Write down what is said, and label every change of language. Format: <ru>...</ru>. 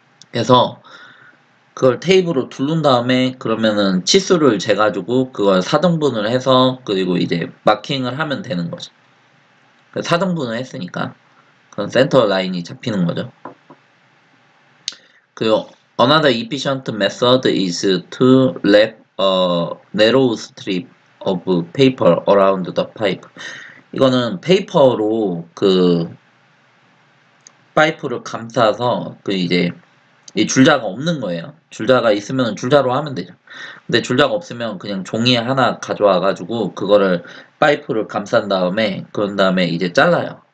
<ko>그래서 그걸 테이프로 두른 다음에 그러면은 치수를 재가지고 그걸 사등분을 해서 그리고 이제 마킹을 하면 되는 거죠. 사등분을 했으니까 그건 센터 라인이 잡히는 거죠. 그리고</ko> <en>another efficient method is to wrap a narrow strip of paper around the pipe.</en> <ko>이거는 페이퍼로 그 파이프를 감싸서 그 이제 이 줄자가 없는 거예요. 줄자가 있으면 줄자로 하면 되죠. 근데 줄자가 없으면 그냥 종이 하나 가져와가지고 그거를 파이프를 감싼 다음에 그런 다음에 이제 잘라요.</ko>